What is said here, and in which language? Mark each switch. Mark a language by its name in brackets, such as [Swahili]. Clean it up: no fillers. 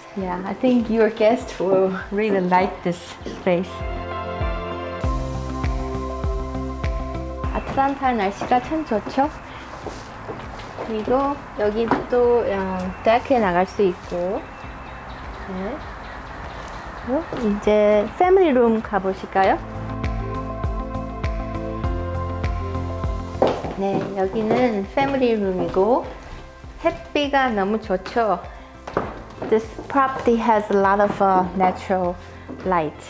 [English] Yeah, I think your guest will really like this space. [Korean] 아틀란타 날씨가 참 좋죠? 그리고 여기 또 데크에 나갈 수 있고. 네. 이제 패밀리 룸 가보실까요? 네, 여기는 패밀리 룸이고 햇빛이 너무 좋죠. [English] This property has a lot of natural light.